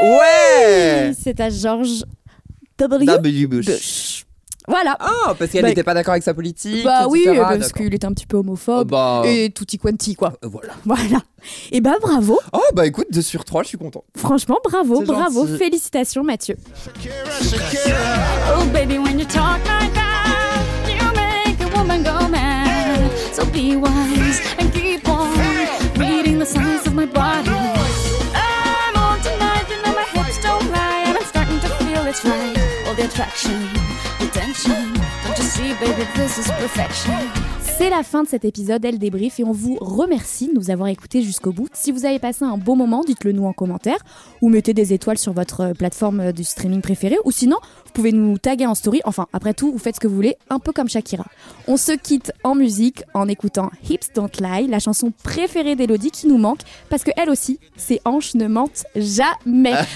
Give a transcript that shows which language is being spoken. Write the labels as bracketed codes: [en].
[fr] Ouais ! C'est à George W. Bush. Voilà. Ah, oh, parce qu'elle n'était pas d'accord avec sa politique. Parce qu'il était un petit peu homophobe. Et tutti quanti, quoi. Voilà. Et bravo. Oh, écoute, 2 sur 3, je suis content. Franchement, bravo, c'est bravo. Gentil. Félicitations, Mathieu. [en] Shakira. Oh, baby, when you talk like that, you make a woman go mad. So be wise and keep on reading the signs of my body. I'm on tonight, you know my hips don't lie. And I'm starting to feel it's right. All the attraction. Don't you see, baby, this is perfection. [fr] C'est la fin de cet épisode Elle Débrief et on vous remercie de nous avoir écoutés jusqu'au bout. Si vous avez passé un bon moment, dites-le nous en commentaire ou mettez des étoiles sur votre plateforme de streaming préférée ou sinon, vous pouvez nous taguer en story. Enfin, après tout, vous faites ce que vous voulez, un peu comme Shakira. On se quitte en musique en écoutant Hips Don't Lie, la chanson préférée d'Elodie qui nous manque parce qu'elle aussi, ses hanches ne mentent jamais.